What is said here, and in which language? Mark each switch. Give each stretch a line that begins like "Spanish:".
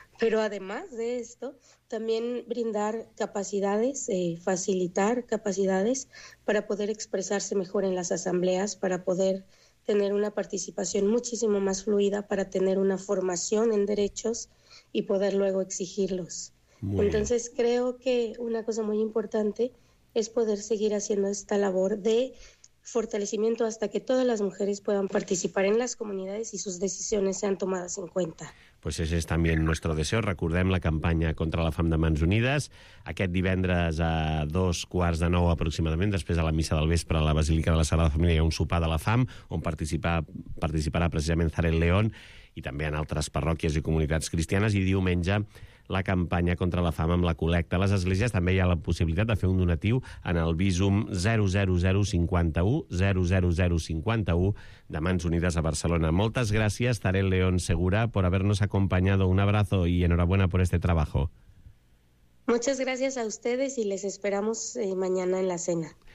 Spanish: Pero además de esto, también brindar capacidades, facilitar capacidades para poder expresarse mejor en las asambleas, para poder tener una participación muchísimo más fluida, para tener una formación en derechos y poder luego exigirlos. Entonces creo que una cosa muy importante es poder seguir haciendo esta labor de fortalecimiento hasta que todas las mujeres puedan participar en las comunidades y sus decisiones sean tomadas en cuenta. Pues ese es también nuestro deseo.
Catalan: Recordem la campanya contra la fam de Mans Unides. Aquest divendres a 9:15 aproximadament, després de la missa del vespre a la Basílica de la Sagrada Família, hi ha un sopar de la fam on participarà precisament Zarel León i també en altres parròquies i comunitats cristianes, i diumenge la campanya contra la fam amb la col·lecta. A les esglésies també hi ha la possibilitat de fer un donatiu en el Bízum 00051 de Mans Unides a Barcelona. Moltes gràcies,
Spanish: Zarel León Segura, por habernos acompañado. Un abrazo y enhorabuena por este trabajo. Muchas gracias a ustedes y les esperamos mañana en la cena.